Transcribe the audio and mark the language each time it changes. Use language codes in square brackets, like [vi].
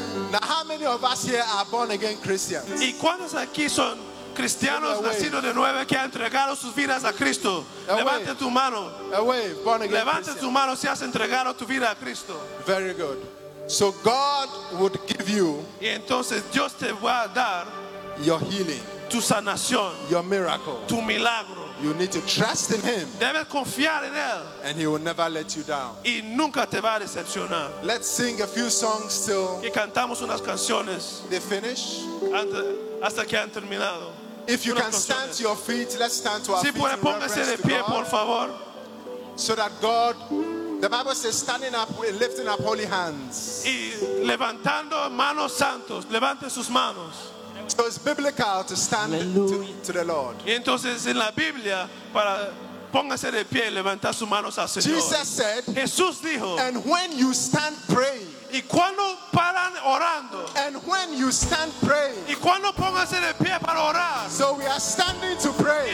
[en] Now, how many of us here are born again Christians? [es] ¿Y cuántos aquí son cristianos nacidos de nuevo que han entregado sus vidas a Cristo? Levante tu mano. Levante tu mano si has entregado tu vida a Cristo. [en] Very good. So God would give you, [es] y entonces Dios te va a dar, [en] your healing, [es] tu sanación, [en] your miracle, [es] tu milagro, [en] You need to trust in him. [es] Debes confiar en él. [en] And he will never let you down. [es] Y nunca te va a decepcionar. [en] Let's sing a few songs till [es] que cantamos unas canciones. [en] They finish. [es] Hasta que han terminado. [en] If you can stand to your feet, let's stand to our feet. [es] Si puede, póngase de pie, por favor. [en] So that God, the Bible says, standing up, lifting up holy hands. [es] Y levantando manos santos, levante sus manos. [en] So it's biblical to stand to the Lord. [es] Y entonces en la Biblia para póngase de pie y levantar sus manos al Señor. [en] Jesus said, [es] Jesús dijo, [en] and when you stand praying. [es] Y cuando paran orando. [en] And when you stand praying. [es] Y cuando pónganse de pie para orar. [en] So we are standing to pray.